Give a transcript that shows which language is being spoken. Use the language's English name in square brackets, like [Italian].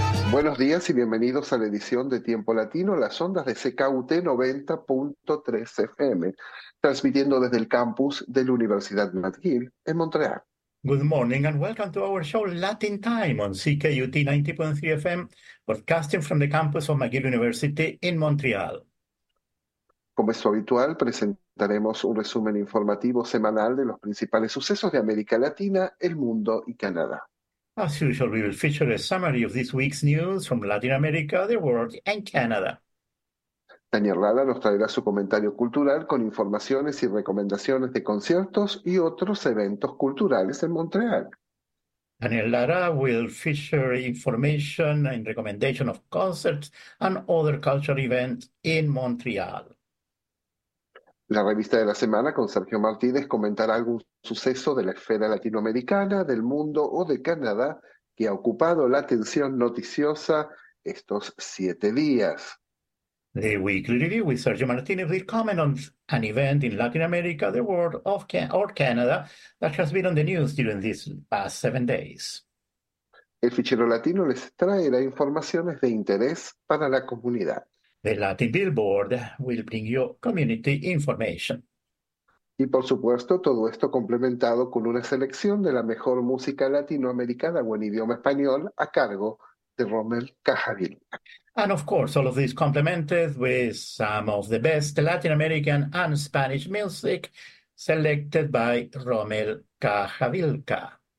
[Spanish] Buenos días y bienvenidos a la edición de Tiempo Latino, las ondas de CKUT 90.3 FM, transmitiendo desde el campus de la Universidad McGill en Montreal. [English] Good morning and welcome to our show Latin Time on CKUT 90.3 FM, broadcasting from the campus of McGill University in Montreal. [Spanish] Como es habitual, presentaremos un resumen informativo semanal de los principales sucesos de América Latina, el mundo y Canadá. [English] As usual, we will feature a summary of this week's news from Latin America, the world, and Canada. [Spanish] Daniel Rada nos traerá su comentario cultural con informaciones y recomendaciones de conciertos y otros eventos culturales en Montreal. [English] Daniel Lara will feature information and recommendation of concerts and other cultural events in Montreal. [Spanish] La revista de la semana con Sergio Martínez comentará algún suceso de la esfera latinoamericana, del mundo o de Canadá que ha ocupado la atención noticiosa estos 7 días. [English] The weekly review with Sergio Martinez will comment on an event in Latin America, the world, or Canada that has been on the news during these past 7 days. [Spanish] El fichero latino les traerá informaciones de interés para la comunidad. [English] The Latin Billboard will bring you community information. [Spanish] Y por supuesto, todo esto complementado con una selección de la mejor música latinoamericana o en idioma español a cargo de Rommel Cajavilla. [English] And of course, all of this complemented with some of the best Latin American and Spanish music selected by Rommel Cajavilca.